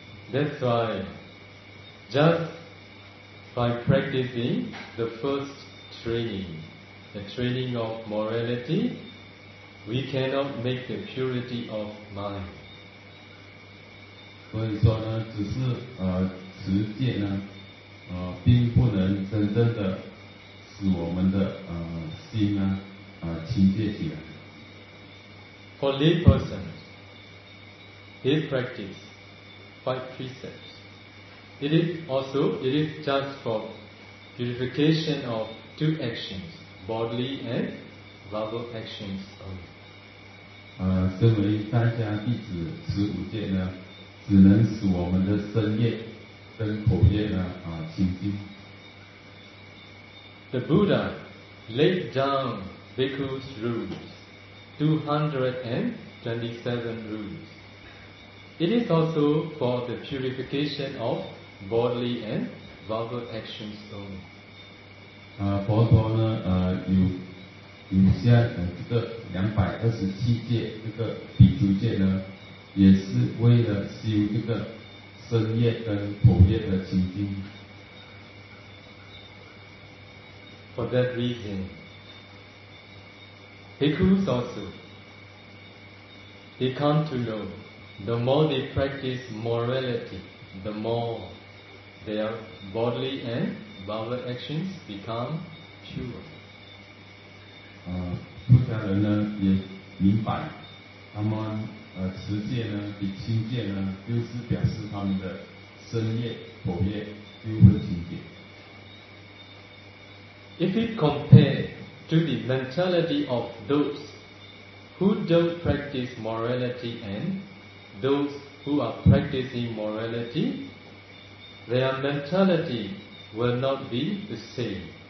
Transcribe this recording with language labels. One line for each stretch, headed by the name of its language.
English: That's why, just by practicing the first training, the training of morality, we cannot make the purity of mind.
Chinese: 所以说呢，只是实践呢，并不能真正的使我们的心呢清洁起来。
English: For lay person, his practice, five precepts, it is just for purification of two actions, bodily and verbal actions only.
Chinese: 身为在家弟子十五戒呢，只能使我们的身业跟口业呢清净。
English: The Buddha laid down Bhikkhu's rules. 227 rules. It is also for the purification of bodily and verbal actions only.
Chinese: 佛陀呢，有下这个227戒，这个比丘戒呢，也是为了修这个身业跟口业的清净。
English: For that reason. Bhikkhus also, they come to know, the more they practice morality, the more their bodily and verbal actions become pure.
Chinese: 出家人呢也明白，他们持戒呢比清戒呢，就是表示他们的身业、口业都会清洁。
English: If we compare. To the mentality of those who don't practice morality and those who are practicing morality, their mentality will not be the same.